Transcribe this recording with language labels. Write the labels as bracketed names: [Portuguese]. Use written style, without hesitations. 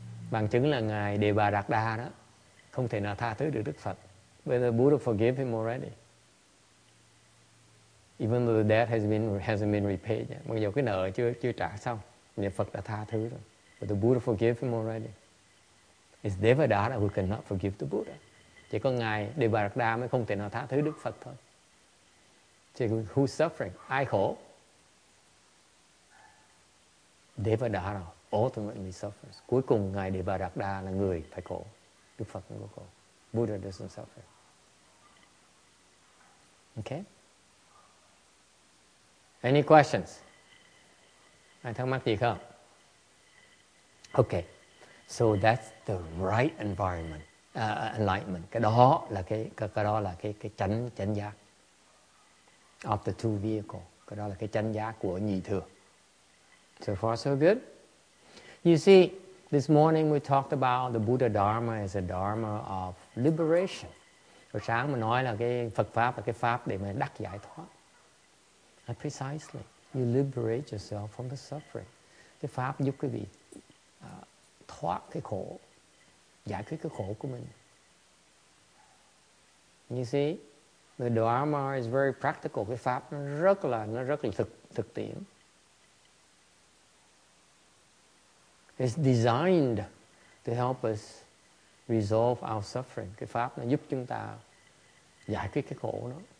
[Vietnamese] Bằng chứng là ngài Đề Bà Đạt Đa đó không thể nào tha thứ được Đức Phật. [English] But the Buddha forgave him already. Even though the debt hasn't been repaid yet. [Vietnamese] Mặc dù cái nợ chưa trả xong, thì Phật đã tha thứ rồi. [English] But the Buddha forgave him already. It's Devadatta who cannot forgive the Buddha. [Vietnamese] Chỉ có ngài Đề Bà Đạt Đa mới không thể nào tha thứ Đức Phật thôi. Chỉ [English] who's suffering? [Vietnamese] Ai khổ? [English] Devadatta ultimately suffers. [Vietnamese] Cuối cùng ngài Đề Bà Đạt Đa là người phải khổ. Đức Phật không có khổ. [English] Buddha doesn't suffer. Okay? Any questions? [Vietnamese] Ai thắc mắc gì không? [English] Okay. So that's the right environment. Enlightenment. [Vietnamese] Cái đó là cái chánh giác. [English] Of the two vehicles. [Vietnamese] Cái đó là cái chánh giác của nhị thừa. [English] So far so good. You see, this morning we talked about the Buddha Dharma as a Dharma of liberation. [Vietnamese] Rồi sáng mình nói là cái Phật Pháp là cái Pháp để mình đắc giải thoát. [English] And precisely, you liberate yourself from the suffering. [Vietnamese] Cái Pháp giúp quý vị thoát cái khổ, giải quyết cái khổ của mình. [English] You see, the Dharma is very practical. [Vietnamese] Cái Pháp nó rất là thực tiễn. [English] It's designed to help us resolve our suffering. [Vietnamese] Cái pháp nó giúp chúng ta giải quyết cái khổ nó.